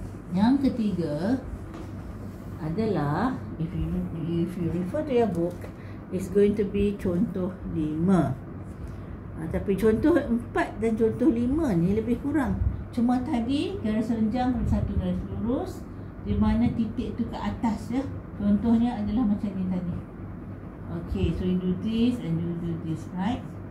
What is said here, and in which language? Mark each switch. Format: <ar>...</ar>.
<ms>Yang ketiga adalah,</ms> <en>if you refer to your book, it's going to be contoh 5.</en> <ms>Tapi contoh 4 dan contoh 5 ni lebih kurang. Cuma tadi garis serenjang pada satu garis lurus, di mana titik tu ke atas ya. Contohnya adalah macam ni tadi.</ms> <en>Okay, so you do this and you do this, right?</en>